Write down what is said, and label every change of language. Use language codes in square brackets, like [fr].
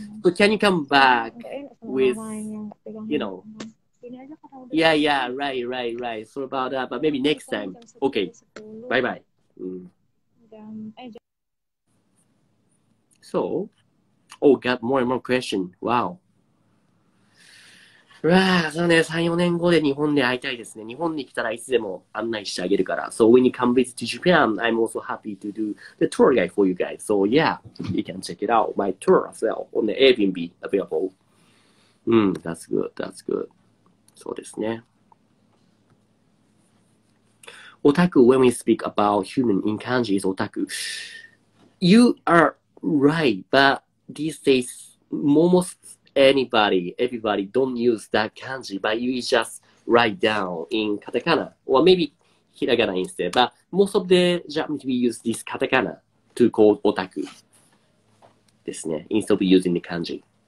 [en] So can you come back with, you know? Yeah, yeah, right. Sorry about that, but maybe next time. Okay, bye. So, oh, got more and more questions. Wow. [ja] うわあ、そうね、3、4年後で日本で会いたいですね。日本に来たらいつでも案内してあげるから。 [en] So when you come visit to Japan, I'm also happy to do the tour guide for you guys. So yeah, you can check it out, my tour as well, on the Airbnb available. That's good. [ja] そうですね。 [en] オタク、when we speak about human in kanji is オタク。 You are right, but these days, almostEverybody don't use that kanji, but you just write down in katakana, or maybe hiragana instead, but most of the Japanese we use this katakana to call otaku, ですね, instead of using the kanji.